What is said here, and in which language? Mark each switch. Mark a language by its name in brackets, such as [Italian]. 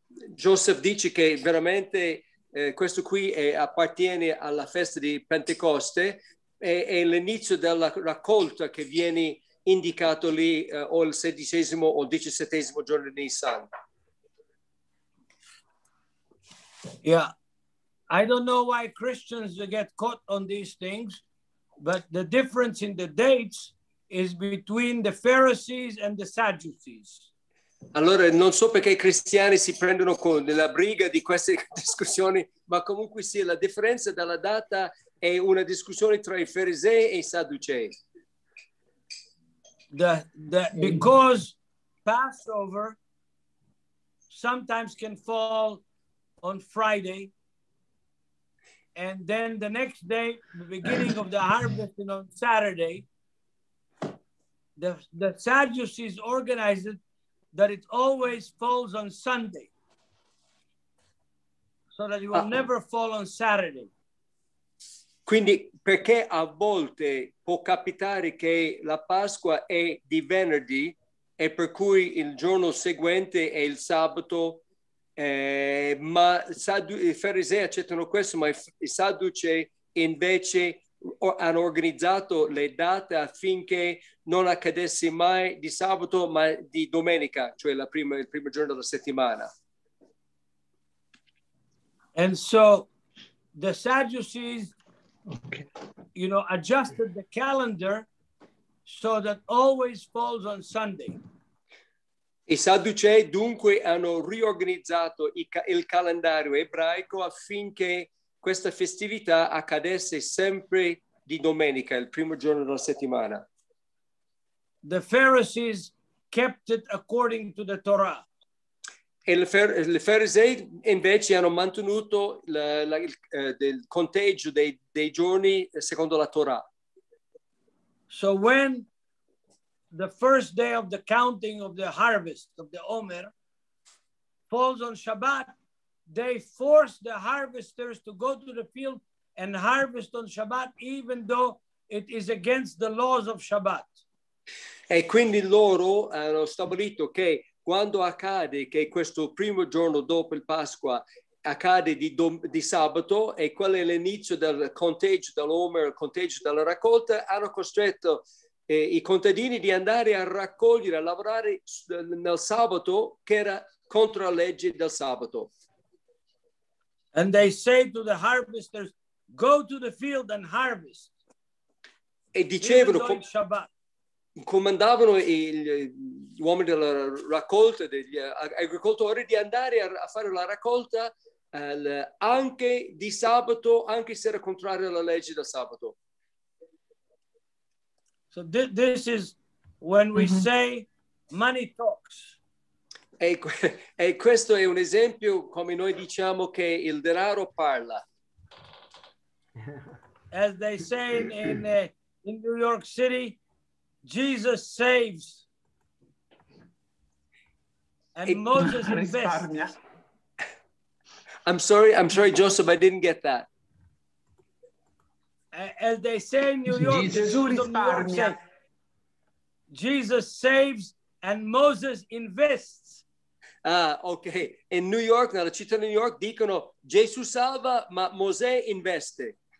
[Italian] Joseph dice che veramente questo qui appartiene alla festa di Pentecoste, è l'inizio della raccolta che viene indicato lì o il sedicesimo o il diciassettesimo giorno di Nissan. [English] Yeah, I don't know why Christians get caught on these things, but the difference in the dates is between the Pharisees and the Sadducees. [Italian] Allora, non so perché i cristiani si prendono con nella briga di queste discussioni, ma comunque sì, la differenza della data è una discussione tra i farisei e i sadducei. [English] Because Passover sometimes can fall on Friday, and then the next day, the beginning of the harvest, and on Saturday, the Sadducees organized it that it always falls on Sunday, so that it will never fall on Saturday. [Italian] Quindi perché a volte può capitare che la Pasqua è di venerdì e per cui il giorno seguente è il sabato, ma i farisei accettano questo, ma i sadducei invece hanno organizzato le date affinché non accadesse mai di sabato ma di domenica, cioè il primo giorno della settimana. [English] And so the Sadducees, okay, you know, adjusted the calendar so that always falls on Sunday. [Italian] I Sadducei dunque hanno riorganizzato il calendario ebraico affinché questa festività accadesse sempre di domenica, il primo giorno della settimana. [English] The Pharisees kept it according to the Torah. [Italian] E le farisei invece hanno mantenuto il conteggio dei giorni secondo la Torah. [English] So when the first day of the counting of the harvest of the Omer falls on Shabbat, they force the harvesters to go to the field and harvest on Shabbat, even though it is against the laws of Shabbat. [Italian] E quindi loro hanno stabilito che quando accade che questo primo giorno dopo il Pasqua accade di sabato, e quello è l'inizio del conteggio dell'Omer, il conteggio della raccolta, hanno costretto i contadini di andare a raccogliere, a lavorare nel sabato, che era contro la legge del sabato. [English] And they say to the harvesters, go to the field and harvest. [Italian] E dicevano, comandavano gli uomini della raccolta, degli agricoltori, di andare a fare la raccolta anche di sabato, anche se era contrario alla legge del sabato. [English] So this is when we mm-hmm. say money talks. [Italian] E questo è un esempio come noi diciamo che il denaro parla. [English] As they say in New York City, Jesus saves and Moses invests. I'm sorry, Joseph, I didn't get that. As they say in New York, Jesus saves and Moses invests. Ah, okay. [Italian] In New York, nella città di New York, dicono Gesù salva, ma Mosè investe.